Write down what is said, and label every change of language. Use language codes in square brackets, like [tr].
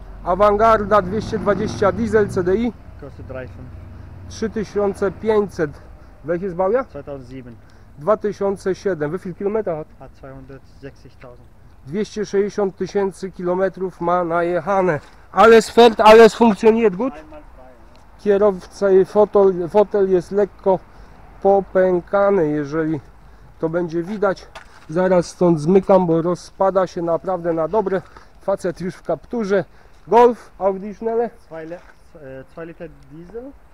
[de] Avantgarde 220 diesel, CDI. Kosty 3500. Welches Baujahr? 2007. 2007. Wie viel Kilometer hat? 260 000. [pl] 260 tysięcy kilometrów ma najechane. [de] Alles fährt, alles funktioniert gut. [pl] Kierowca i fotel jest lekko popękany, jeżeli to będzie widać. Zaraz stąd zmykam, bo rozpada się naprawdę na dobre. Facet już w kapturze. Golf, Audi Schnelle. 2 litry diesel.